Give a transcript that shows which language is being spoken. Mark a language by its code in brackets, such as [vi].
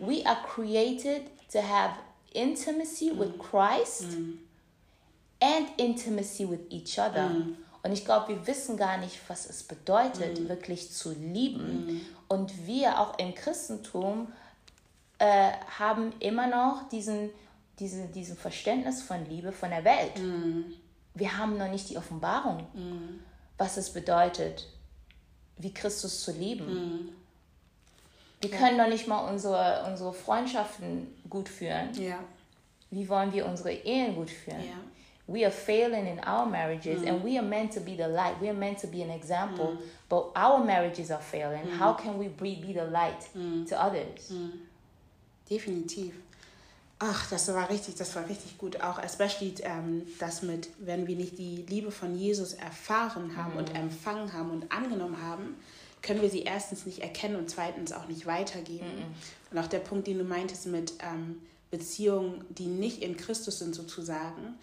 [en] We are created to have intimacy with Christ and intimacy with each other. Mm. [de] Und ich glaube, wir wissen gar nicht, was es bedeutet, wirklich zu lieben. Mm. Und wir auch im Christentum haben immer noch diesen Verständnis von Liebe von der Welt. Mm. Wir haben noch nicht die Offenbarung, was es bedeutet, wie Christus zu lieben. Mm. Wir können noch nicht mal unsere Freundschaften gut führen. Yeah. Wie wollen wir unsere Ehen gut führen? Yeah. [en] We are failing in our marriages and we are meant to be the light. We are meant to be an example. Mm. But our marriages are failing. Mm. How can we be the light to others? [de] Mm. Definitiv. Ach, das war richtig gut. Auch especially das mit, wenn wir nicht die Liebe von Jesus erfahren haben und empfangen haben und angenommen haben, können wir sie erstens nicht erkennen und zweitens auch nicht weitergeben. Mm-mm. Und auch der Punkt, den du meintest mit Beziehungen, die nicht in Christus sind sozusagen.